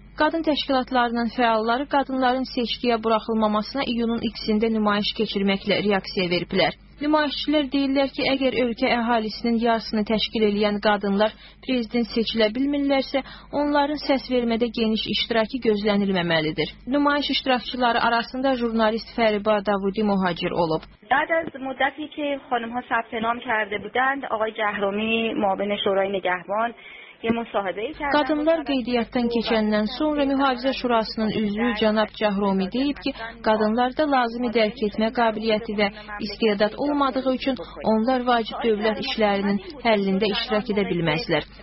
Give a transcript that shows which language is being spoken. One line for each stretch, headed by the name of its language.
Azerbaijani: Qadın təşkilatlarının fəalları qadınların seçkiyə buraxılmamasına iyunun ikisində nümayiş keçirməklə reaksiya veriblər. Nümayişçilər deyirlər ki, əgər ölkə əhalisinin yarısını təşkil edən qadınlar prezident seçilə bilmirlərsə, onların səs vermədə geniş iştirakı gözlənilməməlidir. Nümayiş iştirakçıları arasında jurnalist Fəriba Davudi Muhacir olub.
Persian: بعد از مدتی که خانم‌ها ثبت نام کرده بودند، آقای جهرومی معاون شورای نگهبان
Azerbaijani: Qadınlar qeydiyyatdan keçəndən sonra Mühafizə Şurasının üzvü Cənab Cəhrumi deyib ki, qadınlarda lazımi dərk etmə qabiliyyəti və istedad olmadığı üçün onlar vacib dövlət işlərinin həllində iştirak edə bilməzlər.